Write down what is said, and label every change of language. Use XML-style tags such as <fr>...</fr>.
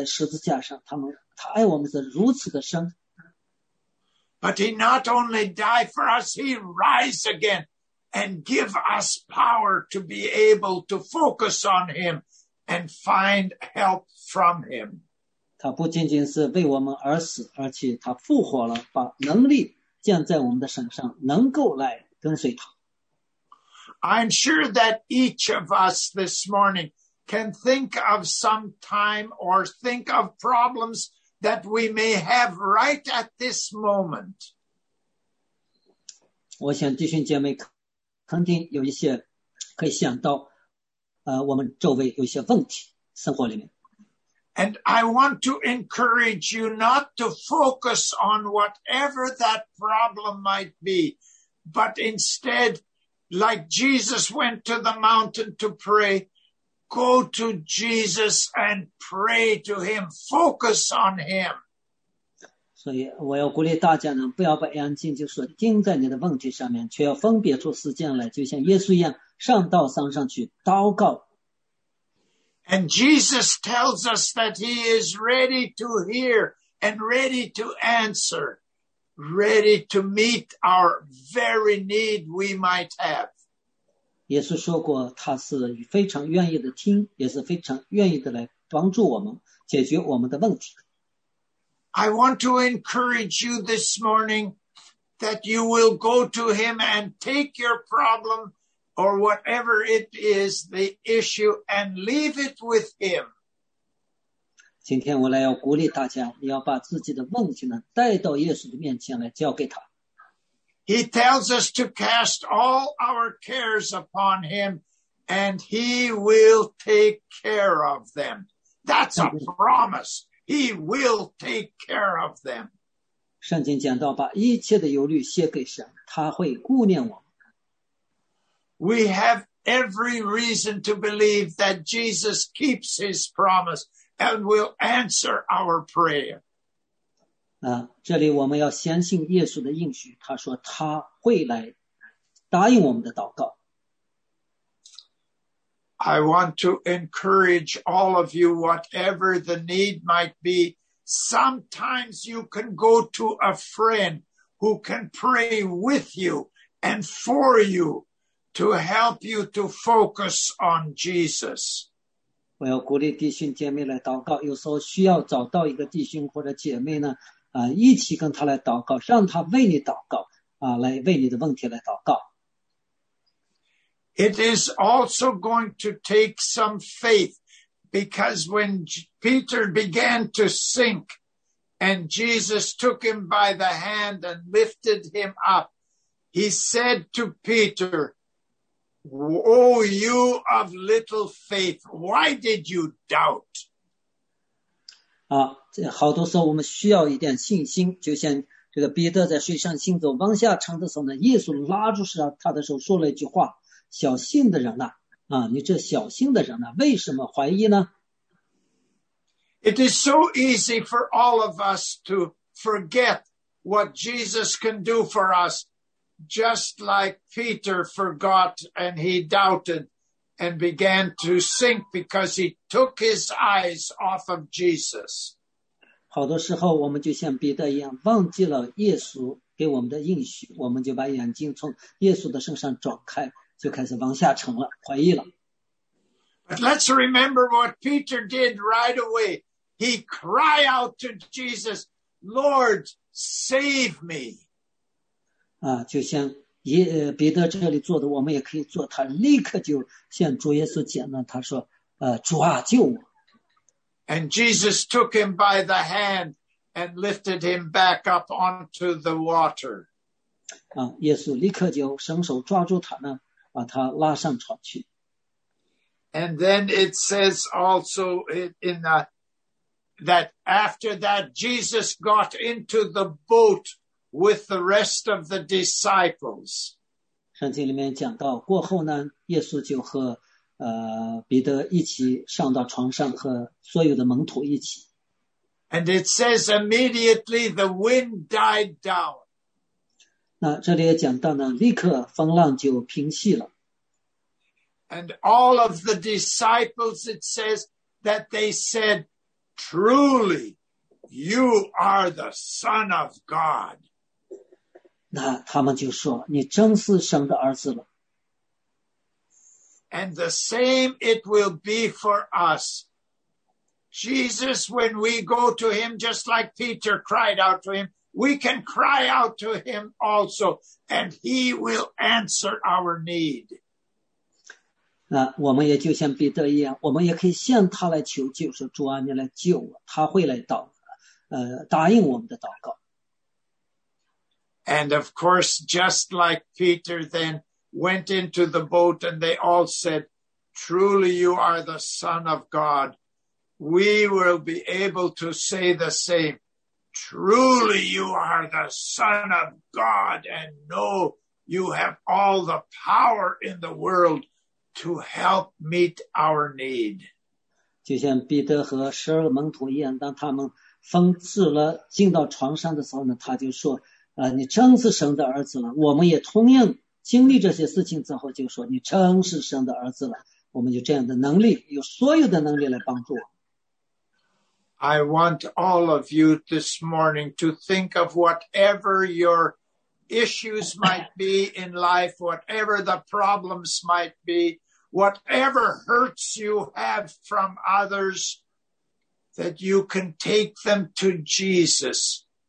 <zh>我们知道耶稣的声音，因为他为我们而死，为我们是钉死在十字架上，他爱我们是如此的深。</zh> <en>But he not only died for us, he rise again and give us power to be able to focus on him and find help from him.</en> <zh>他不仅仅是为我们而死，而且他复活了，把能力降在我们的身上，能够来跟随他。</zh> <en>I'm sure that each of us this morning can think of some time or think of problems that we may have right at this moment.</en> <zh>我想弟兄姐妹肯定有一些可以想到我们周围有一些问题，生活里面。</zh> <en>And I want to encourage you not to focus on whatever that problem might be, but instead, like Jesus went to the mountain to pray, go to Jesus and pray to him, focus on him.</en> <zh>所以我要鼓励大家呢，不要把眼睛就是盯在你的问题上面，却要分别出时间来，就像耶稣一样，上到山上去祷告。</zh> <en>And Jesus tells us that he is ready to hear and ready to answer, ready to meet our very need we might have.</en> <zh>耶稣说过他是非常愿意的听，也是非常愿意的来帮助我们，解决我们的问题。</zh> <en>I want to encourage you this morning that you will go to him and take your problem or whatever it is, the issue, and leave it with him.</en> <zh>今天我来要鼓励大家，你要把自己的问题呢带到耶稣的面前来交给他。</zh> <en>He tells us to cast all our cares upon him and he will take care of them. That's a promise. He will take care of them.</en> <zh>圣经讲到把一切的忧虑卸给神，他会顾念我。</zh> <en>We have every reason to believe that Jesus keeps his promise and will answer our prayer.</en> <zh>这里我们要相信耶稣的应许，他说他会来答应我们的祷告。</zh> <en>I want to encourage all of you, whatever the need might be, sometimes you can go to a friend who can pray with you and for you to help you to focus on Jesus.</en> <zh>我要鼓励弟兄姐妹来祷告，有时候需要找到一个弟兄或者姐妹呢，一起跟他来祷告，让他为你祷告，来为你的问题来祷告。</zh> <en>It is also going to take some faith, because when Peter began to sink and Jesus took him by the hand and lifted him up, he said to Peter, Oh, you of little faith, why did you doubt?</en> <zh>好多时候我们需要一点信心，就像这个彼得在水上行走往下沉的时候呢，耶稣拉住他的手说了一句话，小信的人 你这小信的人为什么怀疑呢？</zh> <en>It is so easy for all of us to forget what Jesus can do for us, just like Peter forgot and he doubted and began to sink because he took his eyes off of Jesus.</en> <zh>好多时候我们就像彼得一样忘记了耶稣给我们的应许，我们就把眼睛从耶稣的身上转开，就开始往下沉了，怀疑了。</zh> <en>But let's remember what Peter did right away. He cried out to Jesus, Lord, save me.</en> <zh>就像彼得这里做的，我们也可以做，他立刻就向主耶稣讲了，他说主啊，救我。</zh> <en>And Jesus took him by the hand and lifted him back up onto the water.</en> <zh>耶稣立刻就伸手抓住他呢，把他拉上船去。</zh> <en>And then it says also in that after that Jesus got into the boat with the rest of the disciples.</en> <zh>圣经里面讲到过后呢，耶稣就和彼得一起上到床上，和所有的门徒一起。</zh> <en>And it says immediately the wind died down.</en> <zh>那这里也讲到呢，立刻风浪就平息了。</zh> <en>And all of the disciples, it says that they said, truly, you are the Son of God.</en> <zh>那他们就说你真是神的儿子了。</zh> <en>And the same it will be for us. Jesus, when we go to him, just like Peter cried out to him, we can cry out to him also, and he will answer our need.</en> <zh>那我们也就像彼得一样，我们也可以向他来求救，说主啊，你来救我，他会来答应我们的祷告。</zh> <en>And of course, just like Peter then went into the boat and they all said, truly you are the Son of God, we will be able to say the same. Truly you are the Son of God, and know you have all the power in the world to help meet our need.</en> <zh>就像彼得和十二门徒一样，当他们疯子了进到床上的时候呢，他就说你真是神的儿子了。我们也同样经历这些事情之后就说，你真是神的儿子了。我们有这样的能力，有所有的能力来帮助我。</zh> <en>I want all of you this morning to think of whatever your issues might be in life, whatever the problems might be, whatever hurts you have from others, that you can take them to Jesus.</en>